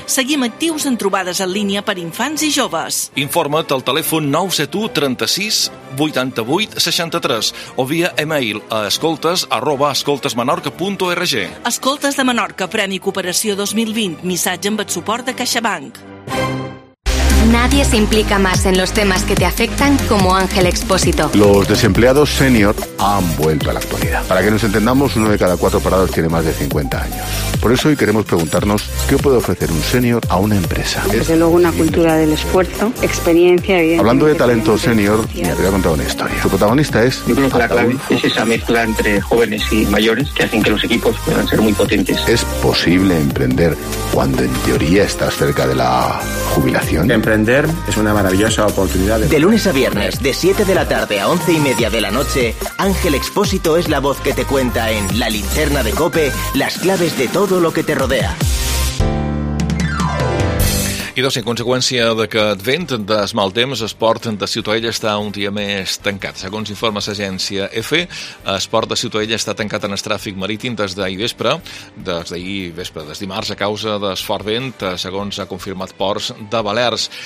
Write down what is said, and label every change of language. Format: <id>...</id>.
<ca>Seguim actius en trobades en línia per infants i joves. Informa't al telèfon 971-36-88-63 o via email a escoltes@escoltesmenorca.org. Escoltes de Menorca, Premi Cooperació 2020. Missatge amb el suport de CaixaBank.</ca> <es>Nadie se implica más en los temas que te afectan como Ángel Expósito. Los desempleados senior han vuelto a la actualidad. Para que nos entendamos, uno de cada cuatro parados tiene más de 50 años. Por eso hoy queremos preguntarnos qué puede ofrecer un senior a una empresa. Desde luego una cultura del esfuerzo, experiencia. Hablando de talento senior, me habría contado una historia. Su protagonista es... Yo creo que la clave es esa mezcla entre jóvenes y mayores que hacen que los equipos puedan ser muy potentes. ¿Es posible emprender cuando en teoría estás cerca de la jubilación? Emprender es una maravillosa oportunidad. De lunes a viernes, de 7 de la tarde a 11 y media de la noche, Ángel Expósito es la voz que te cuenta en La Linterna de Cope las claves de todo lo que te rodea.</es> <ca>Idò, si en conseqüència d'aquest vent del mal temps, l'esport de Ciutadella està un dia més tancat. Segons informa l'agència EFE, l'esport de Ciutadella està tancat en el tràfic marítim des d'ahir vespre, des dimarts, a causa del fort vent, segons ha confirmat Ports de Balears.</ca>